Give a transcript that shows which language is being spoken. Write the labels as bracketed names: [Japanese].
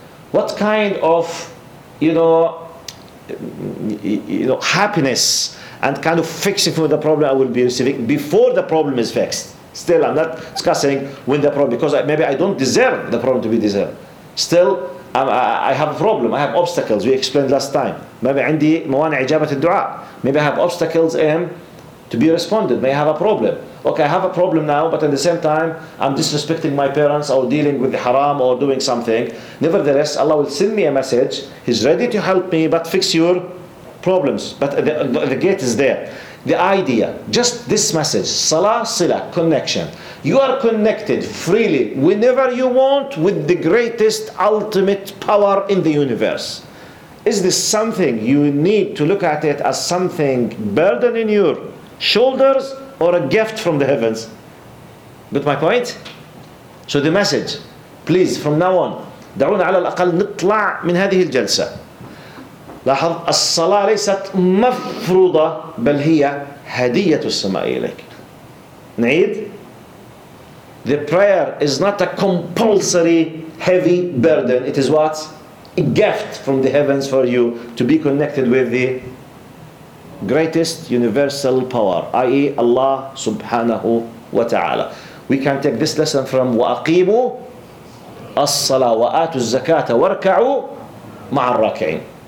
[English] What kind of, you know, happiness and kind of fixing for the problem I will be receiving before the problem is fixed? Still, I'm not discussing when the problem, because maybe I don't deserve the problem to be deserved. Still, I have a problem, I have obstacles, we explained last time. Maybe [Arabic] عندي موانع إجابة الدعاء. [English] Maybe I have obstacles in to be responded, may I have a problem. Okay, I have a problem now, but at the same time, I'm disrespecting my parents or dealing with the haram or doing something. Nevertheless, Allah will send me a message. He's ready to help me, but fix your problems. But the gate is there. The idea, just this message, salah, sila, connection. You are connected freely, whenever you want, with the greatest ultimate power in the universe. Is this something you need to look at it as something burden in your shoulders or a gift from the heavens? Get my point? So the message, please, from now on, [Arabic] دعونا على الأقل نطلع من هذه الجلسة. لاحظ الصلاة ليست مفروضة بل هي هدية السماء إليك. نعيد. [English] The prayer is not a compulsory heavy burden. It is what? A gift from the heavens for you to be connected with the greatest universal power, i.e. Allah subhanahu wa ta'ala. We can take this lesson from [Arabic] وَأَقِيمُوا الصَّلَاةَ وَآتُوا الزَّكَاةَ وَارْكَعُوا مَعَ الرَّاكِعِينَ.